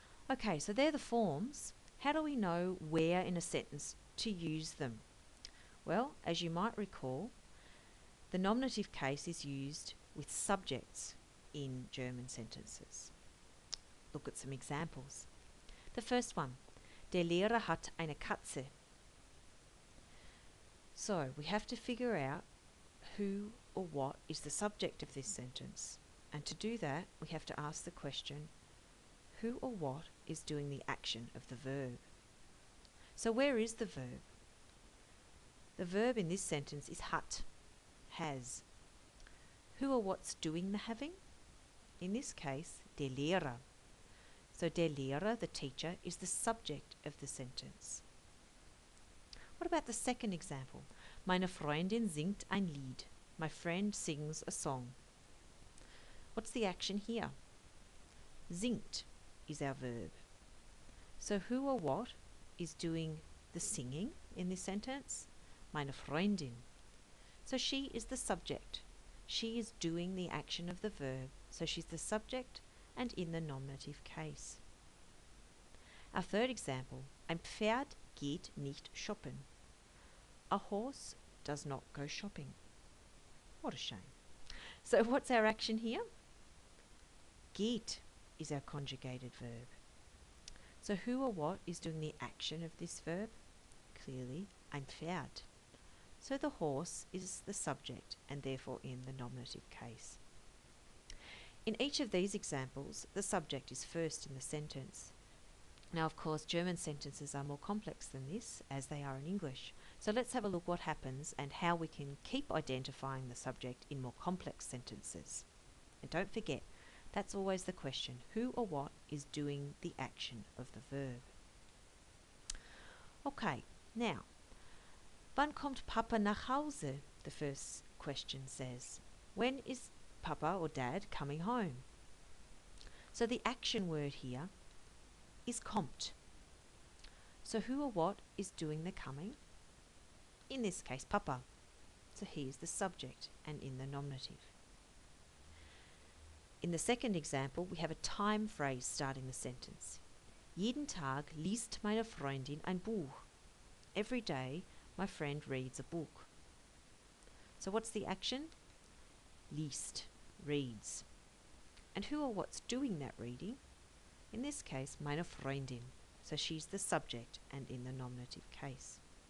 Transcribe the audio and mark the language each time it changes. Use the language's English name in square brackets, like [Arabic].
[English] Okay, so they're the forms. How do we know where in a sentence to use them? Well, as you might recall, the nominative case is used with subjects in German sentences. Look at some examples. The first one, [German] der Lehrer hat eine Katze. [English] So we have to figure out who or what is the subject of this sentence. And to do that, we have to ask the question, who or what is doing the action of the verb? So where is the verb? The verb in this sentence is hat, has. Who or what's doing the having? In this case, [German] der Lehrer. [English] So [German] der Lehrer, [English] the teacher, is the subject of the sentence. What about the second example? [German] Meine Freundin singt ein Lied. [English] My friend sings a song. What's the action here? Singt is our verb. So who or what is doing the singing in this sentence? [German] Meine Freundin. [English] So she is the subject. She is doing the action of the verb, so she's the subject and in the nominative case. Our third example, [German] ein Pferd geht nicht shoppen. [English] A horse does not go shopping. What a shame. So what's our action here? Geht is our conjugated verb. So who or what is doing the action of this verb? Clearly, [German] ein Pferd. [English] So the horse is the subject and therefore in the nominative case. In each of these examples, the subject is first in the sentence. Now, of course, German sentences are more complex than this, as they are in English. So let's have a look what happens and how we can keep identifying the subject in more complex sentences. And don't forget, that's always the question, who or what is doing the action of the verb? Okay, now, [German] wann kommt Papa nach Hause? [English] The first question says. When is Papa or Dad coming home? So the action word here is kommt. So who or what is doing the coming? In this case, Papa. So he is the subject and in the nominative. In the second example, we have a time phrase starting the sentence. [German] Jeden Tag liest meine Freundin ein Buch. [English] Every day, my friend reads a book. So what's the action? Liest, reads. And who or what's doing that reading? In this case, [German] meine Freundin. [English] So she's the subject and in the nominative case.